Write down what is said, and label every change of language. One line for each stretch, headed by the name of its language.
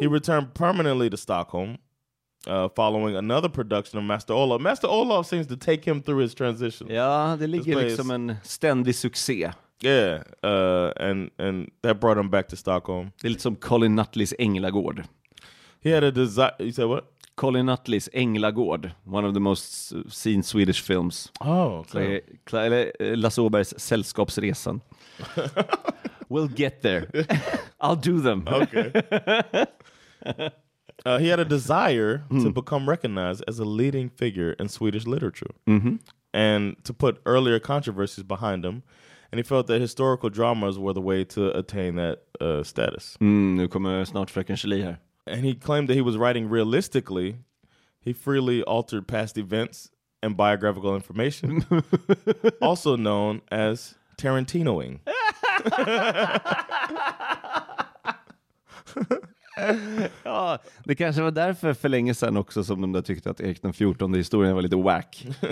English: He returned permanently to Stockholm following another production of Master Olof. Master Olof seems to take him through his transition.
Swedish: Ja, det ligger liksom en ständig succé.
English: Yeah, and that brought him back to Stockholm.
Swedish: Det är lite som Colin Nutleys Änglagård.
English: He had a desire. You said what? Colin Nutleys Änglagård, one of the most seen Swedish films. Oh, okay. Lasse Åbergs Sällskapsresan. We'll get there. I'll do them. Okay. He had a desire to become recognized as a leading figure in Swedish literature, and to put earlier controversies behind him. And he felt that historical dramas were the way to attain that status.
Swedish: Nu kommer snart fräcken Kjellie här.
English: And he claimed that he was writing realistically. He freely altered past events and biographical information. Also known as Tarantinoing.
Swedish: Ja, det kanske var därför för länge sedan också som de där tyckte att Erik den 14:e historien var lite whack.